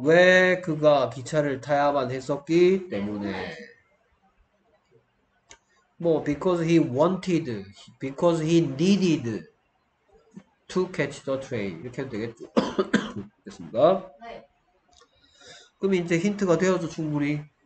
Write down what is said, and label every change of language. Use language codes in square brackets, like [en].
[ko] 왜 그가 기차를 타야만 했었기 때문에. [en] 뭐, because he wanted, because he needed to catch the train. [ko] 이렇게 해도 되겠죠. 됐습니다. 그럼 이제 힌트가 되어서 충분히.